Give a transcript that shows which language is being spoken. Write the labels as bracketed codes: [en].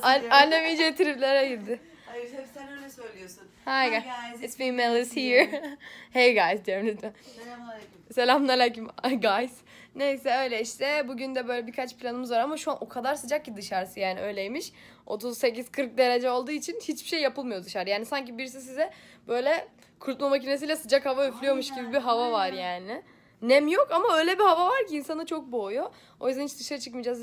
[tr] Annem iyice triplere girdi. Hayır, sen öyle söylüyorsun. [en] Hi guys, it's female is here. Hey guys [tr] diyorum lütfen. Selamünaleyküm. Guys. Neyse öyle işte. Bugün de böyle birkaç planımız var ama şu an o kadar sıcak ki dışarısı, yani öyleymiş. 38-40 derece olduğu için hiçbir şey yapılmıyor dışarı. Yani sanki birisi size böyle kurutma makinesiyle sıcak hava üflüyormuş gibi bir hava var yani. Nem yok ama öyle bir hava var ki insanı çok boğuyor. O yüzden hiç dışarı çıkmayacağız.